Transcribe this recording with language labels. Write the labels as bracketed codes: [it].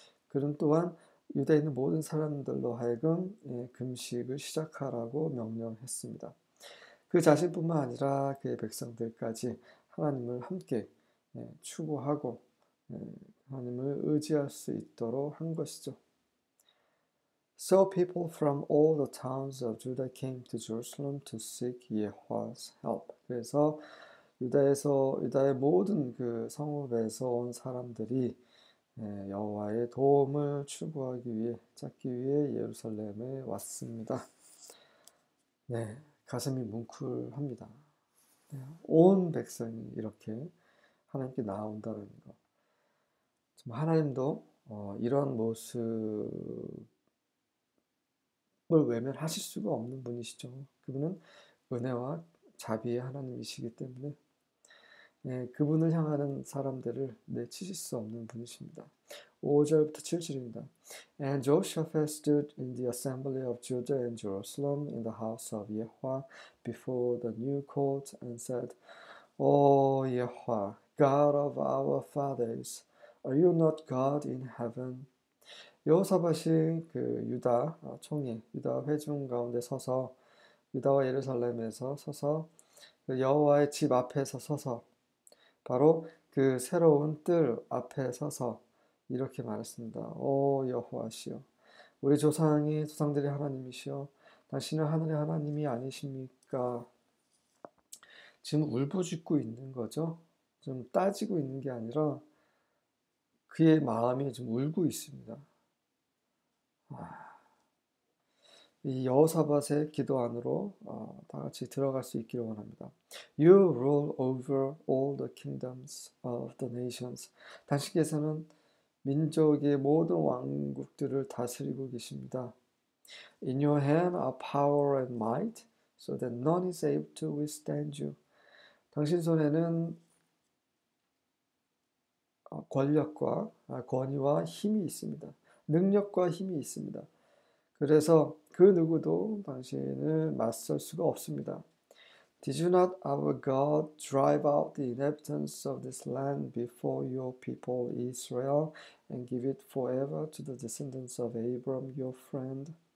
[ko] 그는 또한 유대에 있는 모든 사람들로 하여금 금식을 시작하라고 명령했습니다. 그 자신뿐만 아니라 그의 백성들까지 하나님을 함께 추구하고 하나님을 의지할 수 있도록 한 것이죠. [en] So people from all the towns of Judah came to Jerusalem to seek Yahweh's help. [ko] 그래서 유다의 모든 그 성읍에서 온 사람들이 여호와의 도움을 찾기 위해 예루살렘에 왔습니다. 네, 가슴이 뭉클합니다. 온 백성이 이렇게 하나님께 나온다는 것. 하나님도 이런 모습을 외면하실 수가 없는 분이시죠. 그분은 은혜와 자비의 하나님이시기 때문에 그분을 향하는 사람들을 내치실 수 없는 분이십니다. 5절부터 7절입니다. [en] And Jehoshaphat stood in the assembly of Judah and Jerusalem in the house of Yahweh before the new court and said, O Yahweh, God of our fathers, are you not God in heaven? [ko] 여호사밧이 그 유다 총리, 유다 회중 가운데 서서 유다와 예루살렘에서 서서 그 여호와의 집 앞에서 서서 바로 그 새로운 뜰 앞에 서서 이렇게 말했습니다. 오 여호와시여, 우리 조상이 조상들의 하나님이시여, 당신은 하늘의 하나님이 아니십니까? 지금 울부짖고 있는 거죠. 좀 따지고 있는 게 아니라 그의 마음이 지금 울고 있습니다. 이 여호사밧의 기도 안으로 다 같이 들어갈 수 있기를 원합니다. [en] You rule over all the kingdoms of the nations. [ko] 당신께서는 민족의 모든 왕국들을 다스리고 계십니다. [en] In your hand are power and might, so that none is able to withstand you. [ko] 당신 손에는 권력과 권위와 힘이 있습니다. 능력과 힘이 있습니다. 그래서 그 누구도 당신을 맞설 수가 없습니다. [en] Did you not, our God, drive out the inhabitants of this land before your people Israel and give it forever to the descendants of Abram, your friend?